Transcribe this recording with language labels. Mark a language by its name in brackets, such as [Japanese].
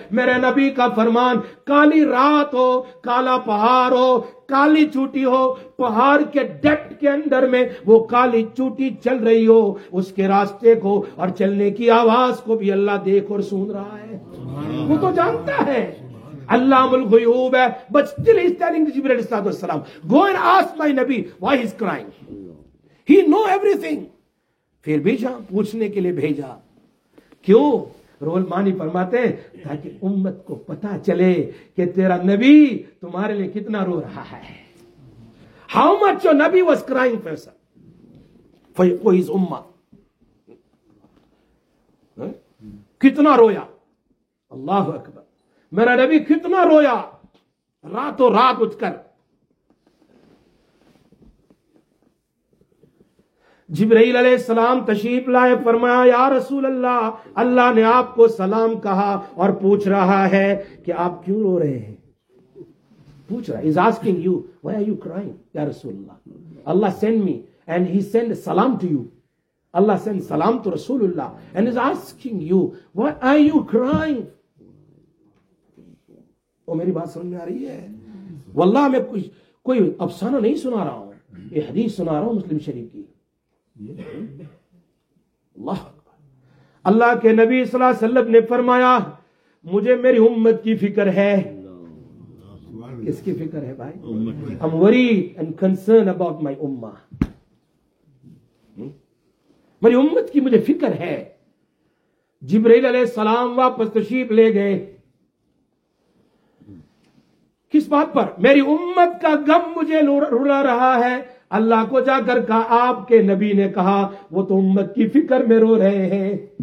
[Urdu] میرے نبی کا فرمان, کالی رات ہو, کالا پہاڑ ہو, کالی چوٹی ہو, پہاڑ کے ڈیپتھ کے اندر میں وہ کالی چوٹی چل رہی ہو, اس کے راستے کو اور چلنے کی آواز کو بھی اللہ دیکھ اور سن رہا ہے. وہ تو جانتا ہے, علام الغیوب ہے. [English] But still he's telling Jibrail علیہ السلام, go and ask my نبی why he's crying, he know everything. [Urdu] پھر بھی جہاں پوچھنے کے لیے بھیجا. کیوں؟ رول مانی فرماتے ہیں تاکہ امت کو پتا چلے کہ تیرا نبی تمہارے لیے کتنا رو رہا ہے. [English] How much your نبی was crying for sir for his ummah. [Urdu] کتنا رویا, اللہ اکبر, میرا نبی کتنا رویا رات و رات اٹھ کر. جبرائیل علیہ السلام تشریف لائے, فرمایا یا رسول اللہ, اللہ نے آپ کو سلام کہا اور پوچھ رہا ہے کہ آپ کیوں رو رہے ہیں. پوچھ رہا ہے, [English] is asking you why are you crying یا رسول Allah. Allah send me and he send سلام to you. Allah send سلام to رسول Allah and is asking you why are you crying. [Urdu] میری بات سمجھ میں آ رہی ہے؟ واللہ میں کوئی افسانہ نہیں سنا رہا ہوں, یہ حدیث سنا رہا ہوں مسلم شریف کی. اللہ کے نبی صلی اللہ علیہ وسلم نے فرمایا مجھے میری امت کی فکر ہے. کس کی فکر ہے بھائی؟ [English] I'm worried and concerned about my ummah. [Urdu] میری امت کی مجھے فکر ہے. جبرائیل علیہ السلام واپس تشریف لے گئے. کس بات پر؟ میری امت کا غم مجھے رلا رہا ہے. اللہ کو جا کر کہا, آپ کے نبی نے کہا وہ تو امت کی فکر میں رو رہے ہیں.